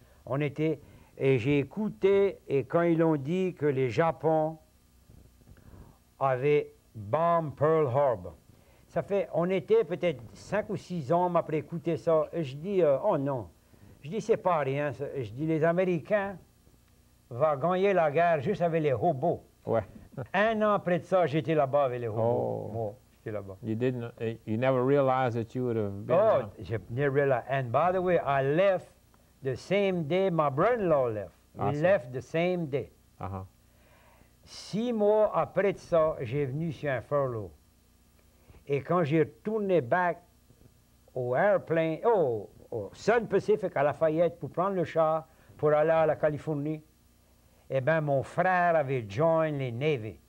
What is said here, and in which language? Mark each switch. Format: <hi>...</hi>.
<fr>On était, et j'ai écouté, et quand ils ont dit que les Japonais avaient bombé Pearl Harbor, ça fait, on était peut-être 5 ou 6 hommes après écouter ça, et je dis, c'est pas rien, ça. Je dis, les Américains vont gagner la guerre juste avec les hobos. Ouais. Un an après de ça, j'étais là-bas avec les hobos. Oh. Moi, j'étais là-bas.</fr> <en>You never realized that you would have been. Oh, there. I never realized. And by the way, I left. The same day, my brother-in-law left. Awesome. He left the same day. Uh-huh.</en> <fr>6 mois après de ça, j'ai venu sur un furlough. Et quand j'ai retourné back au airplane, au Sun Pacific à Lafayette pour prendre le char pour aller à la Californie, eh bien, mon frère avait joined les Navy.</fr>